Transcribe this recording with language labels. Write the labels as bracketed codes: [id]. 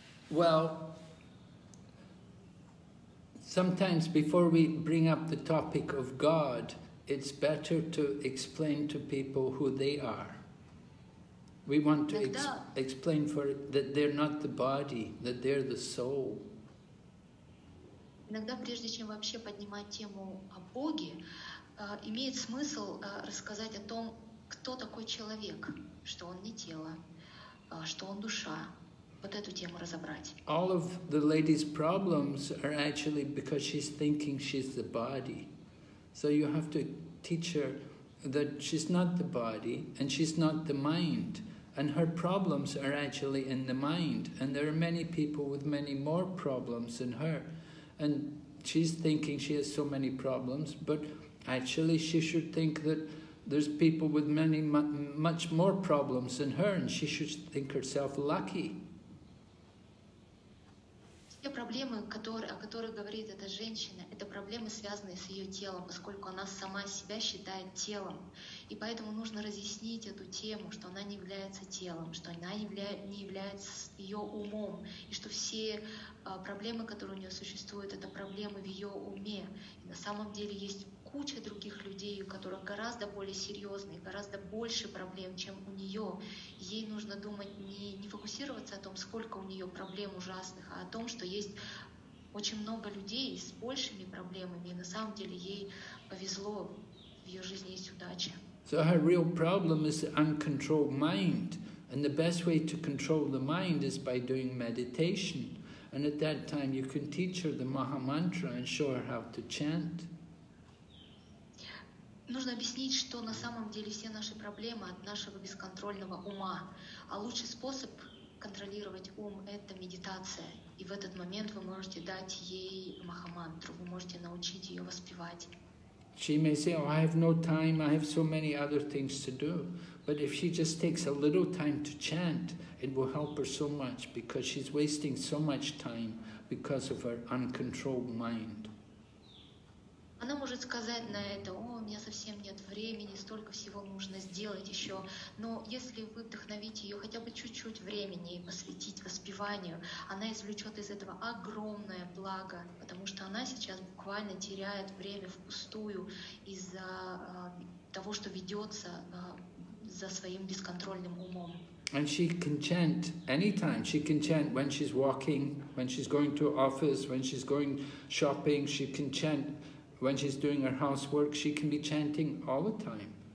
[en] Well, sometimes before we bring up the topic of God, it's better to explain to people who they are. We want to explain for that they're not the body, that they're the soul. [ru] Иногда, прежде чем вообще поднимать тему о Боге, имеет смысл рассказать о том, кто такой человек, что он не тело, что он душа. Вот эту тему разобрать. [en] All of the lady's problems are actually because she's thinking she's the body. So you have to teach her that she's not the body and she's not the mind. And her problems are actually in the mind. And there are many people with many more problems than her. And she's thinking she has so many problems, but actually she should think that there's people with many much more problems than her, and she should think herself lucky. [ru] Все проблемы, которые, о которых говорит эта женщина, это проблемы, связанные с ее телом, поскольку она сама себя считает телом. И поэтому нужно разъяснить эту тему, что она не является телом, что она не является ее умом, и что все проблемы, которые у нее существуют, это проблемы в ее уме. И на самом деле есть куча других людей, у которых гораздо более серьезные, гораздо больше проблем, чем у нее. Ей нужно думать, не фокусироваться о том, сколько у нее проблем ужасных, а о том, что есть очень много людей с большими проблемами, и на самом деле ей повезло, в ее жизни есть удача. [en] So her real problem is the uncontrolled mind, and the best way to control the mind is by doing meditation. And at that time you can teach her the Maha Mantra and show her how to chant. [ru] Нужно объяснить, что на самом деле все наши проблемы от нашего бесконтрольного ума. А лучший способ контролировать ум – это медитация. И в этот момент вы можете дать ей Махамантру, вы можете научить ее воспевать. [en] She may say, "Oh, I have no time, I have so many other things to do." But if she just takes a little time to chant, it will help her so much, because she's wasting so much time because of her uncontrolled mind. [ru] Она может сказать на это: "О, у меня совсем нет времени, столько всего нужно сделать еще." Но если вы вдохновите ее хотя бы чуть-чуть времени и посвятить воспеванию, она извлечет из этого огромное благо, потому что она сейчас буквально теряет время впустую из-за того, что ведется за своим бесконтрольным умом. [en] And she can chant anytime. She can chant when she's walking, when she's going to office, when she's going shopping. She can chant. When she's doing her housework, she can be chanting all the time.